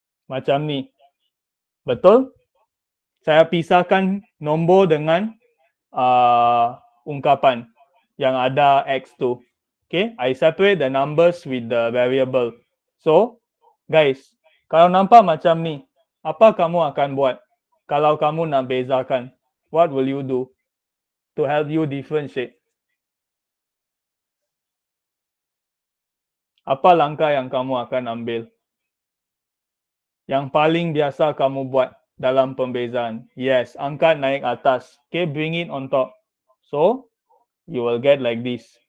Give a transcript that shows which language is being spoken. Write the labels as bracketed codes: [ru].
[ms] Macam ni. Betul? Saya pisahkan nombor dengan ungkapan yang ada X tu. Okay? [en] I separate the numbers with the variable. [ms] So, guys, kalau nampak macam ni, apa kamu akan buat kalau kamu nak bezakan? [en] What will you do to help you differentiate? [ms] Apa langkah yang kamu akan ambil? Yang paling biasa kamu buat dalam pembezaan. Yes, angkat naik atas. [en] Okay, bring it on top. So, you will get like this.